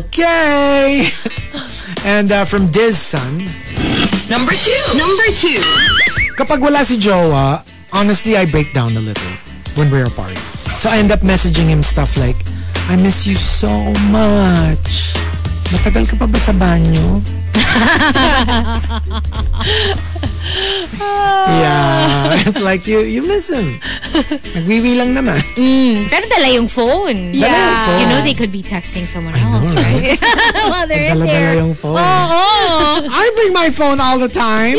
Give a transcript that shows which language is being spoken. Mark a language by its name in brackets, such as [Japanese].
[English] Okay. And from Diz Son. Number two. [Filipino] Kapag wala si Jowa, [English] honestly, I break down a little when we're apart. So I end up messaging him stuff like, I miss you so much. [Filipino] Matagal ka pa ba sa banyo? [English] Yeah, it's like you miss him. [Filipino] Nagwiwi lang naman. Pero dala yung phone. Yeah. Dala yung phone. [English] You know they could be texting someone I else, know, right? While they're in there. [Filipino] Dala yung phone. Oh. [English] I bring my phone all the time.